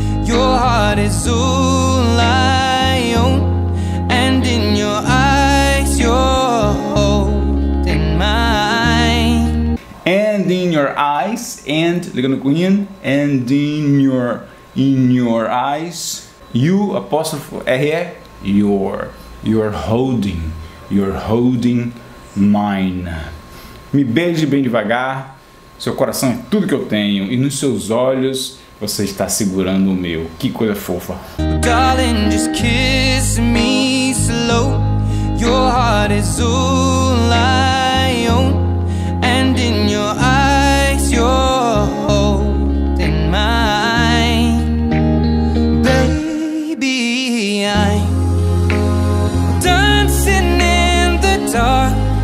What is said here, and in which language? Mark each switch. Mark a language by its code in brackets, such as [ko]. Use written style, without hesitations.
[en] Your heart is all I own, and in your eyes you're holding mine. And in your eyes, and, [pt] ligando com [en] in, and in your eyes, you, [pt] apóstrofo, [en] R-E, you're holding mine. [pt] Me beije bem devagar, seu coração é tudo que eu tenho, e nos seus olhos você está segurando o meu. Que coisa fofa. [en] Darling, just kiss me slow. Your heart is all I own, and in your eyes you're holding mine. Baby, I'm dancing in the dark.